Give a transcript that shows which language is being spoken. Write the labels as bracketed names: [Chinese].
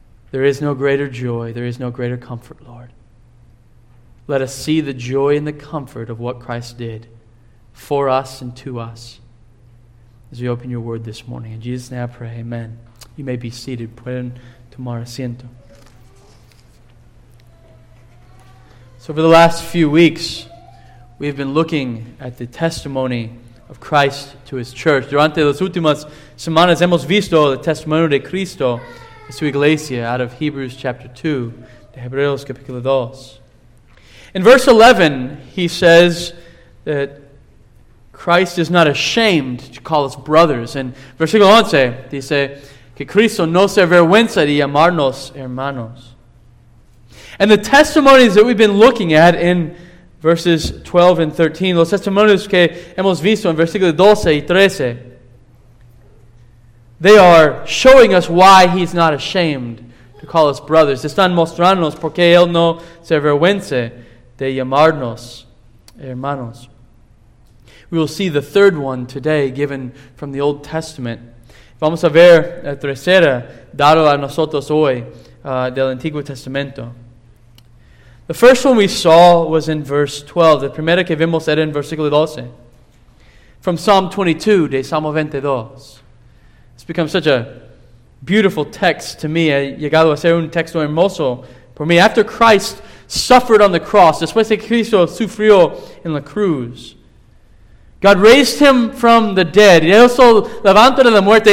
[English] There is no greater joy, there is no greater comfort, Lord. Let us see the joy and the comfort of what Christ did for us and to us as we open your word this morning. In Jesus' name I pray, amen. You may be seated. [Spanish] Pueden tomar asiento. [English] So for the last few weeks, we've been looking at the testimony of Christ to his church. [Spanish] Durante las últimas semanas hemos visto el testimonio de Cristo a su iglesia [English] out of Hebrews chapter 2, [Spanish] de Hebreos capítulo 2. [English] In verse 11, he says that Christ is not ashamed to call us brothers. [Spanish] In versículo 11, dice que Cristo no se avergüenza de llamarnos hermanos. [English] And the testimonies that we've been looking at in verses 12 and 13, [Spanish] los testimonios que hemos visto en versículos 12 y 13, [English] they are showing us why he's not ashamed to call us brothers. [Spanish] Están mostrándonos por qué él no se avergüenza de llamarnos hermanos. [English] We will see the third one today given from the Old Testament. [Spanish] Vamos a ver la tercera dado a nosotros hoy del Antiguo Testamento. [English] The first one we saw was in verse 12. [Spanish] The primera que vimos era en versículo 12. [English] From Psalm 22, [Spanish] de Salmo 22. [English] It's become such a beautiful text to me. [Spanish] Ha llegado a ser un texto hermoso por mí. [English] After Christ suffered on the cross, [Spanish] después de Cristo sufrió en la cruz, [English] God raised him from the dead. [Spanish] Y eso levantó de la muerte.